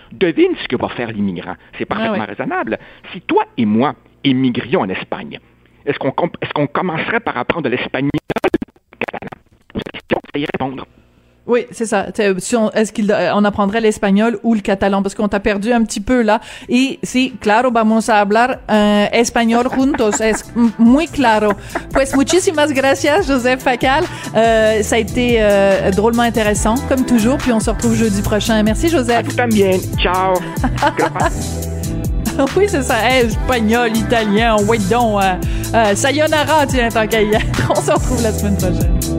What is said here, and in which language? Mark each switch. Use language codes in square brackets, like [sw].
[fr] Devine ce que va faire l'immigrant. C'est parfaitement raisonnable. Si toi et moi émigrions en Espagne, est-ce qu'on commencerait par apprendre l'espagnol ou le catalan? Je vais y répondre. Oui, c'est ça. Est-ce qu'on apprendrait l'espagnol ou le catalan? Parce qu'on t'a perdu un petit peu là. [es] Et si, claro, vamos a hablar español juntos. Es muy claro. Pues muchísimas gracias, Joseph Facal. [fr] Ça a été drôlement intéressant, comme toujours. Puis on se retrouve jeudi prochain. Merci, Joseph. A vous también. Ciao. Oui, c'est ça. Espagnol, italien, oui donc. Sayonara, tiens, tant qu'à y être. On se retrouve la semaine prochaine.